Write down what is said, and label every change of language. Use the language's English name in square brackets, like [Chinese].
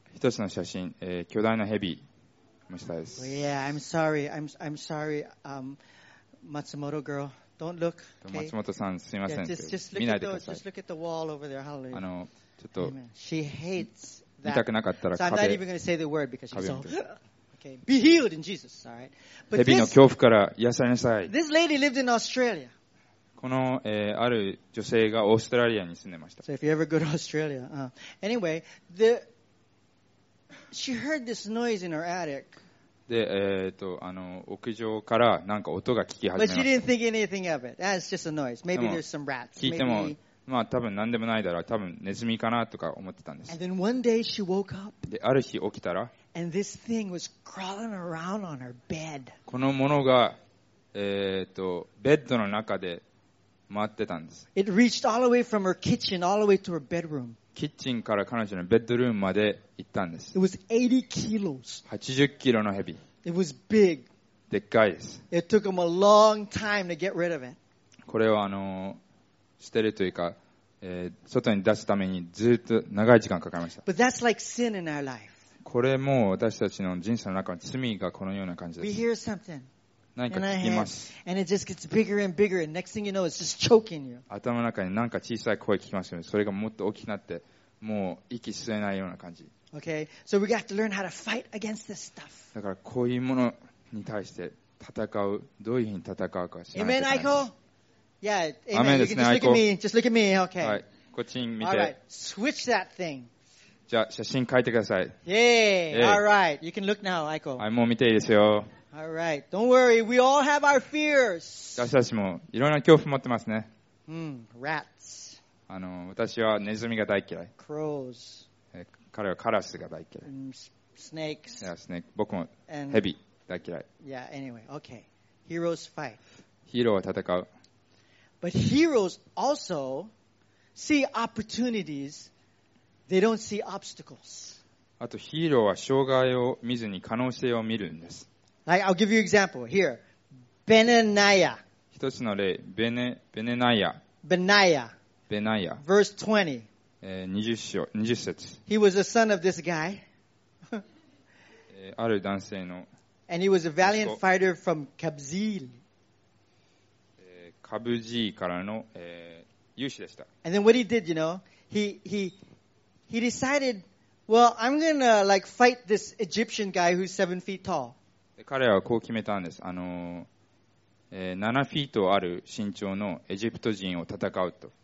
[Japanese] 一つの写真、巨大な蛇の下です。 [English] Well, yeah, I'm sorry. I'm sorry. Matsumoto girl, don't look. Okay? [Japanese] 松本さん、すみません。 [English] Yeah, just look [Japanese] 見ないでください。 [English] Just look at the wall over there. Hallelujah. [Japanese] ちょっと。 [English] She hates that. [Japanese] 見たくなかったら壁。 [English] So I'm not even going to say the word because she's so. Be healed in Jesus, all right? But this, [Japanese] 蛇の恐怖から癒されなさい。 [English] This lady lived in Australia. [Japanese] この、ある女性がオーストラリアに住んでました。 [English] So if you ever go to Australia, anyway, she heard this noise in her attic. [Japanese] で、屋上からなんか音が聞き始めました。 [English] But she didn't think anything of it. That's just a noise. Maybe there's some rats. [Japanese] 聞いても、まあ多分何でもないだろう。多分ネズミかなとか思ってたんです。 [English] And then one day she woke up. [Japanese] で、ある日起きたら、 [English] And this thing was crawling around on her bed. [Japanese] このものが、ベッドの中で回ってたんです。 [English] It reached all the way from her kitchen, all the way to her bedroom. [Japanese] キッチンから彼女のベッドルームまで行ったんです。 [English] It was 80 kilos. [Japanese] 80キロのヘビ。 [English] It was big. [Japanese] でっかいです。 [English] It took him a long time to get rid of it. [Japanese] これを捨てるというか、外に出すためにずっと長い時間かかりました。 [English] But that's like sin in our life. [Japanese] これも私たちの人生の中の罪がこのような感じです。 [English] We hear something. [Japanese] 何か聞きます。 [English] And it just gets bigger and bigger, and next thing you know, it's just choking you. [Japanese] 頭の中に何か小さい声聞きますよね。それがもっと大きくなって、もう息吸えないような感じ。 [English] Okay? So we have to learn how to fight against this stuff. [Japanese] だからこういうものに対して戦う、どういうふうに戦うか知らない。 [English] Amen, Aiko? Yeah, amen. You can just look at me. Just look at me, okay? [Japanese] はい、こっちに見て。 [English] All right, switch that thing. [Japanese] じゃあ写真書いてください。 [English] Yay! Yay. All right, you can look now, Aiko. [Japanese] はい、もう見ていいですよ。 [English] All right, don't worry, we all have our fears. [Japanese] 私たちもいろんな恐怖持ってますね。 [English] Rats. [Japanese] 私はネズミが大嫌い。 [English] Crows. [Japanese] 彼はカラスが大嫌い。 [English] Snakes. Yeah, snake. [Japanese] 僕もヘビ大嫌い。 [English] Yeah, anyway, okay. Heroes fight. [Japanese] ヒーローは戦う。 [English] But heroes also see opportunities. They don't see obstacles. [Japanese] あとヒーローは障害を見ずに可能性を見るんです。 [English] Like, I'll give you example here. Benaniah. [Japanese] 一つの例、Benaniah. [English] Benaiah. Benaiah. Verse 20. [Japanese] 20節。 [English] He was the son of this guy. [Japanese] ある男性の。 [English] And he was a valiant fighter from Kabzeel. [Japanese] カブジーからの、勇士でした。 [English] And then what he did, you know, He decided, well, I'm gonna like fight this Egyptian guy who's 7 feet tall. [Japanese] 彼はこう決めたんです。7 feet ある身長のエジプト人を戦うと。